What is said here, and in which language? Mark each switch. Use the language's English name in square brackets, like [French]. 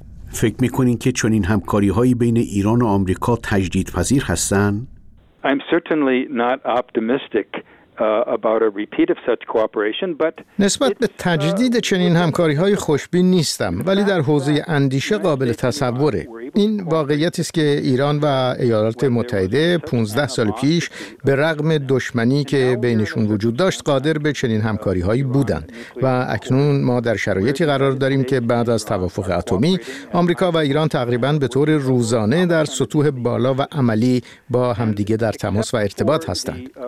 [Persian] فکر می‌کنین که چنین همکاری‌هایی بین ایران و آمریکا تجدیدپذیر هستند؟ [English] I'm certainly not optimistic about a repeat of such cooperation, but [Persian] نسبت به تجدید چنین همکاری‌های خوشبین نیستم، ولی در حوزه اندیشه قابل تصوره. این واقعیتی است که ایران و ایالات متحده 15 سال پیش به رغم دشمنی که بینشون وجود داشت قادر به چنین همکاری‌هایی بودند و اکنون ما در شرایطی قرار داریم که بعد از توافق اتمی آمریکا و ایران تقریباً به طور روزانه در سطوح بالا و عملی با همدیگه در تماس و ارتباط هستند.